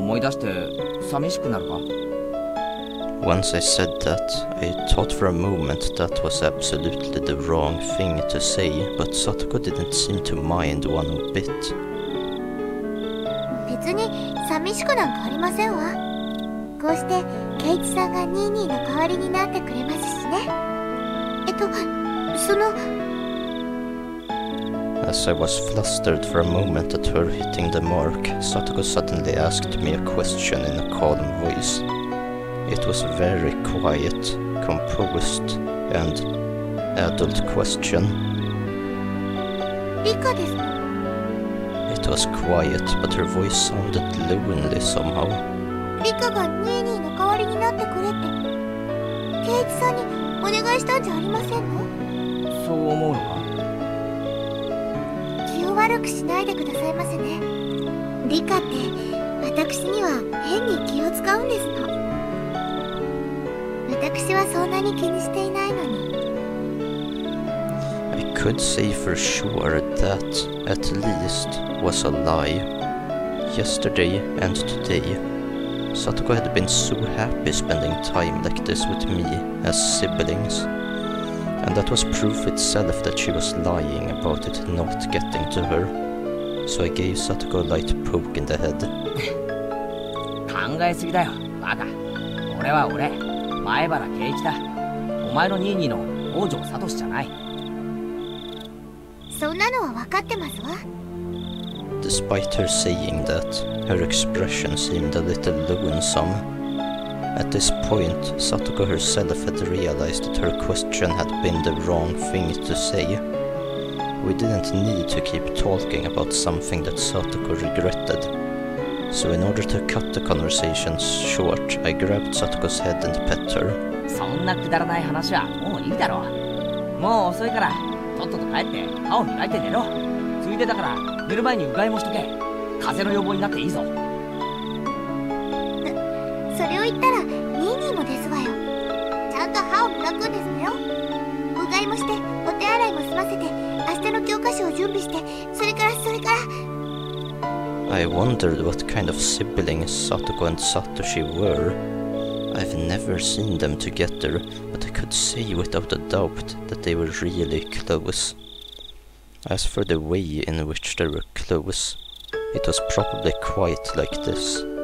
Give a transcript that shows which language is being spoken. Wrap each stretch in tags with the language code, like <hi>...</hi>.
<ja>似ていると、ニーニーを思い出して寂しくなるか?</ja> <en>Once I said that, I thought for a moment that was absolutely the wrong thing to say, but Satoko didn't seem to mind one bit.</en> <ja>別に寂しくなんかありませんわ。こうして、ケイチさんがニーニーの代わりになってくれますしね。その…</ja> <en>As I was flustered for a moment at her hitting the mark, Satoko suddenly asked me a question in a calm voice. It was very quiet, composed, and adult question.</en> <ja>Rika-desu.</ja> <en>It was quiet, but her voice sounded lonely somehow.</en> <ja>Rika-ga-Nini-no-kawari-ni-natte-kure-te. Keiichi-san-ni-onegai-shita-nja-arimasen-no? そう思うのか? 気を悪くしないでくださいませね。リカって、私には変に気を使うんですの。私はそんなに気にしていないのに。</ja> <en>I could say for sure that, at least, was a lie. Yesterday and today, Satoko had been so happy spending time like this with me as siblings. And that was proof itself that she was lying about it not getting to her. So I gave Satoko a light poke in the head.</en> <ja>考えすぎだよ、バカ。俺は俺、前原圭一だ。お前のニーニーの王女サトシじゃない。そんなのは分かってますわ。</ja> <en>Despite her saying that, her expression seemed a little lonesome. At this point, Satoko herself had realized that her question had been the wrong thing to say. We didn't need to keep talking about something that Satoko regretted. So in order to cut the conversation short, I grabbed Satoko's head and pet her.</en> <ja>そんなくだらない話はもういいだろう。もう遅いから、とっとと帰って歯を磨いて寝ろ。ついでだから、寝る前にうがいもしとけ。風邪の予防になっていいぞ。それを言ったら、ニーニーもですわよ。ちゃんと歯を磨くんですよ。うがいもして、お手洗いも済ませて、明日の教科書を準備して、それから…</ja> <en>I wondered what kind of siblings Satoko and Satoshi were. I've never seen them together, but I could say without a doubt that they were really close. As for the way in which they were close, it was probably quite like this.</en>